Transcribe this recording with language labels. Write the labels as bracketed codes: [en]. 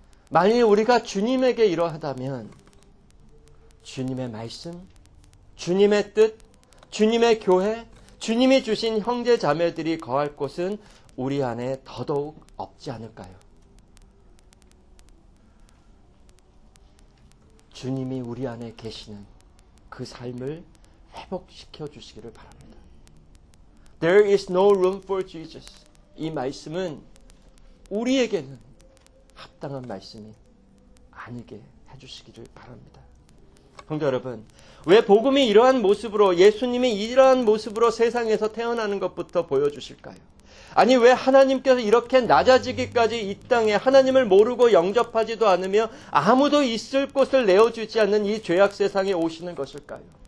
[ko] 만일 우리가 주님에게 이러하다면 주님의 말씀, 주님의 뜻, 주님의 교회, 주님이 주신 형제 자매들이 거할 곳은 우리 안에 더더욱 없지 않을까요? 주님이 우리 안에 계시는 그 삶을 회복시켜 주시기를 바랍니다. [en] There is no room for Jesus. [ko] 이 말씀은 우리에게는 합당한 말씀이 아니게 해주시기를 바랍니다. 형제 여러분, 왜 복음이 이러한 모습으로 예수님이 이러한 모습으로 세상에서 태어나는 것부터 보여주실까요? 아니 왜 하나님께서 이렇게 낮아지기까지 이 땅에 하나님을 모르고 영접하지도 않으며 아무도 있을 곳을 내어주지 않는 이 죄악 세상에 오시는 것일까요?